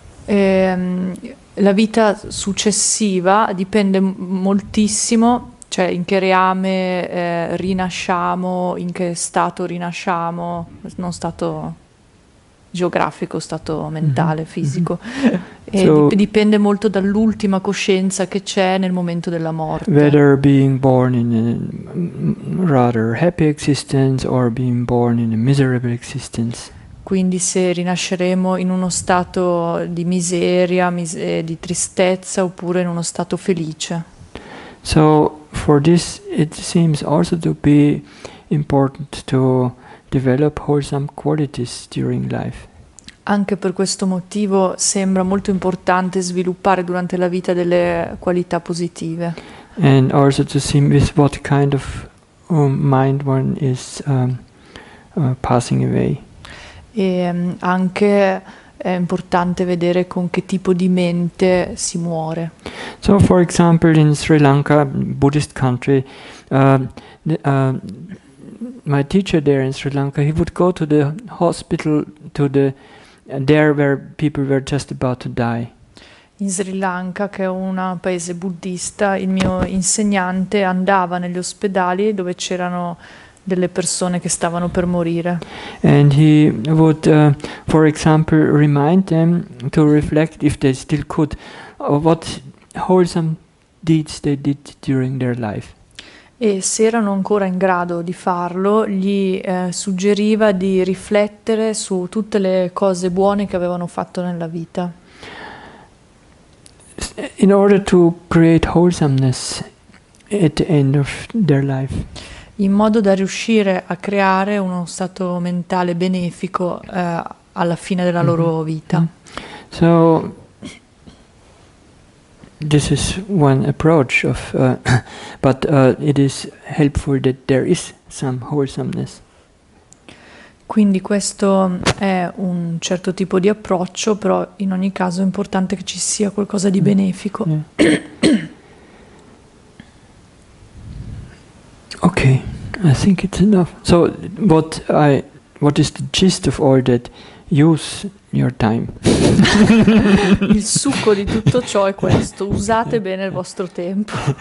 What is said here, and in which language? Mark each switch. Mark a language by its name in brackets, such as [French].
[Italian] La vita successiva dipende moltissimo Cioè, in che reame rinasciamo, in che stato rinasciamo, non stato geografico, stato mentale, fisico. E [English] So, [Italian] dipende molto dall'ultima coscienza che c'è nel momento della morte. [English] whether being born in a rather happy existence or being born in a miserable existence. [Italian] Quindi se rinasceremo in uno stato di miseria, di tristezza oppure in uno stato felice. [English] So, for this, it seems also to be important to develop wholesome qualities during life. [Italian] Anche per questo motivo sembra molto importante sviluppare durante la vita delle qualità positive. [English] And also to see with what kind of mind one is passing away. [Italian] E anche è importante vedere con che tipo di mente si muore. [English] So, for example, in Sri Lanka, Buddhist country, my teacher there in Sri Lanka, he would go to the hospital to the there where people were just about to die. [Italian] In Sri Lanka, che è un paese buddista, il mio insegnante andava negli ospedali dove c'erano delle persone che stavano per morire. [English] And he would, for example, remind them to reflect if they still could, what wholesome deeds they did during their life. [Italian] E se erano ancora in grado di farlo, gli suggeriva di riflettere su tutte le cose buone che avevano fatto nella vita. [English] In order to create wholesomeness at the end of their life. [Italian] In modo da riuscire a creare uno stato mentale benefico, alla fine della loro vita. [English] So, this is one approach of, but it is helpful that there is some wholesomeness. [Italian] Quindi questo è un certo tipo di approccio, però in ogni caso è importante che ci sia qualcosa di benefico. [English] Okay, I think it's enough. So, what is the gist of all that? Use your time. [Italian] Il succo di tutto ciò è questo, usate bene il vostro tempo.